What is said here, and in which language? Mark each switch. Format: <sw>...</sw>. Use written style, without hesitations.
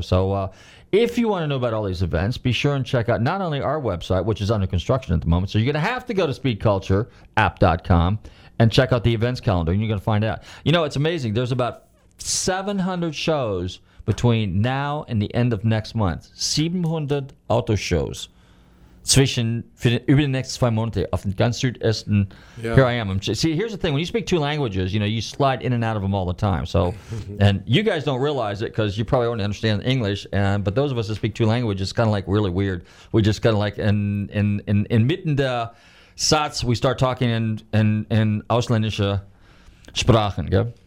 <en>So if you want to know about all these events, be sure and check out not only our website, which is under construction at the moment, so you're going to have to go to speedcultureapp.com and check out the events calendar, and you're going to find out. You know, it's amazing. There's about 700 shows between now and the end of next month.</en> <de>700 Autoshows. Zwischen über die nächsten zwei Monate auf den ganzen Südosten.</de> <en>Here I am. Here's the thing. When you speak two languages, you know, you slide in and out of them all the time. So, and you guys don't realize it because you probably don't understand English. But those of us that speak two languages, it's kind of like really weird. We just kind of like</en> <de>in mitten der Satz,</de> <en>we start talking in</en> <de>ausländische Sprachen.</de> <en>Yeah?</en>